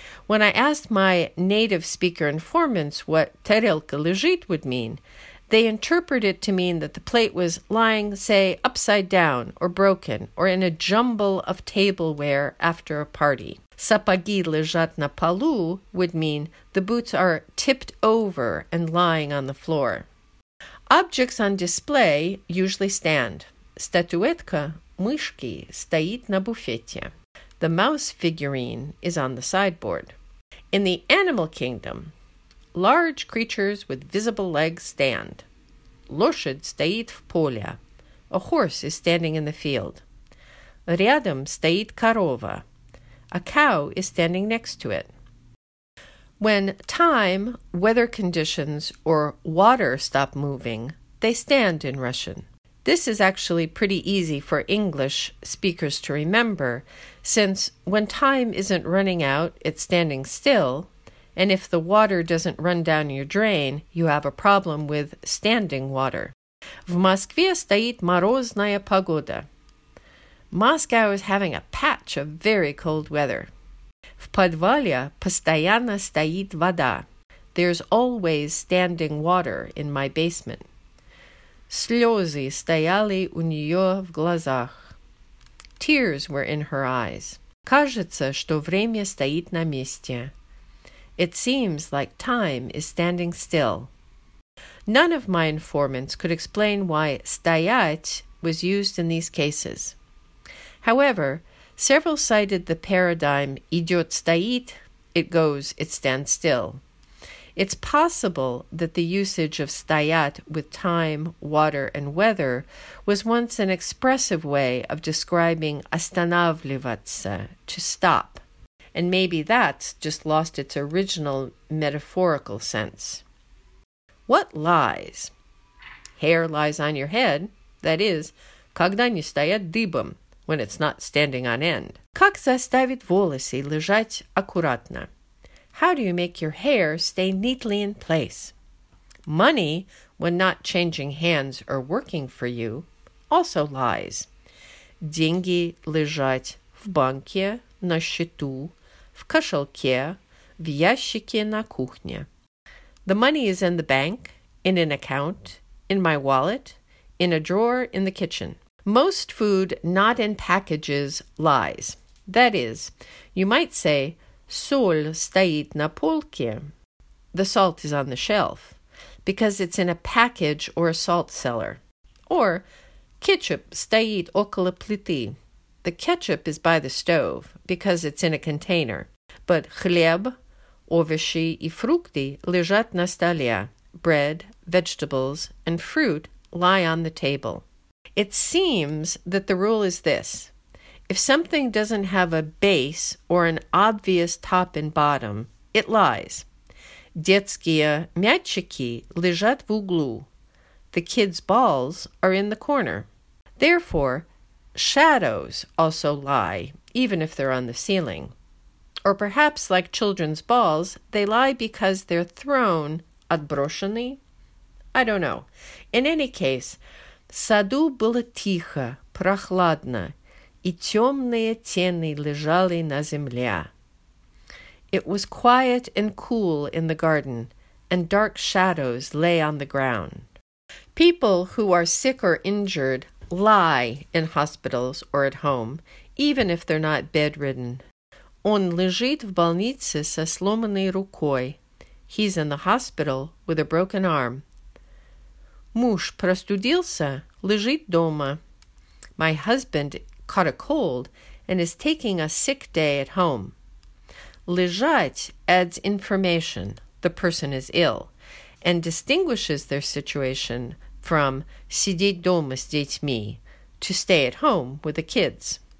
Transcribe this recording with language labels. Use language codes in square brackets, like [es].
[en] When I asked my native speaker informants what [ru] тарелка лежит [en] would mean, they interpret it to mean that the plate was lying, say, upside down or broken or in a jumble of tableware after a party. [ru] Сапоги лежат на полу [en] would mean the boots are tipped over and lying on the floor. Objects on display usually stand. [ru] Статуэтка мышки стоит на буфете. [en] The mouse figurine is on the sideboard. In the animal kingdom, large creatures with visible legs stand. [ru] Лошадь стоит в поле. [en] A horse is standing in the field. [ru] Рядом стоит корова. [en] A cow is standing next to it. When time, weather conditions, or water stop moving, they stand in Russian. This is actually pretty easy for English speakers to remember, since when time isn't running out, it's standing still, and if the water doesn't run down your drain, you have a problem with standing water. [ru] В Москве стоит морозная погода. [en] Moscow is having a patch of very cold weather. [ru] В подвале постоянно стоит вода. [en] There's always standing water in my basement. [ru] Слезы стояли у нее в глазах. [en] Tears were in her eyes. [ru] Кажется, что время стоит на месте. [en] It seems like time is standing still. None of my informants could explain why стоять was used in these cases. However, several cited the paradigm [ru] идет стоит, [en] it goes, it stands still. It's possible that the usage of стоят with time, water, and weather was once an expressive way of describing останавливаться, to stop. And maybe that's just lost its original metaphorical sense. What lies? Hair lies on your head, that is, [ru] когда не стоят дыбом, [en] when it's not standing on end. [ru] Как заставить волосы лежать аккуратно? [en] How do you make your hair stay neatly in place? Money, when not changing hands or working for you, also lies. [ru] Деньги лежать в банке, на счету, в кошельке, в ящике на кухне. [en] The money is in the bank, in an account, in my wallet, in a drawer in the kitchen. Most food not in packages lies. That is, you might say, [ru] соль стоит на полке. [en] The salt is on the shelf, because it's in a package or a salt cellar. Or, [ru] кетчуп стоит около плиты. [en] The ketchup is by the stove, because it's in a container. But [ru] хлеб, овощи и фрукты лежат на столе. [en] Bread, vegetables, and fruit lie on the table. It seems that the rule is this. If something doesn't have a base or an obvious top and bottom, it lies. [ru] Детские мячики лежат в углу. [en] The kids' balls are in the corner. Therefore, shadows also lie, even if they're on the ceiling. Or perhaps, like children's balls, they lie because they're thrown отброшены. I don't know. In any case, [ru] саду было тихо, прохладно, и темные тени лежали на земле. [en] It was quiet and cool in the garden, and dark shadows lay on the ground. People who are sick or injured lie in hospitals or at home, even if they're not bedridden. [ru] Он лежит в больнице со сломанной рукой. [en] He's in the hospital with a broken arm. [ru] Муж простудился, лежит дома. [en] My husband caught a cold and is taking a sick day at home. Лежать adds information, the person is ill, and distinguishes their situation from [ru] сидеть дома с детьми, [en] to stay at home with the kids.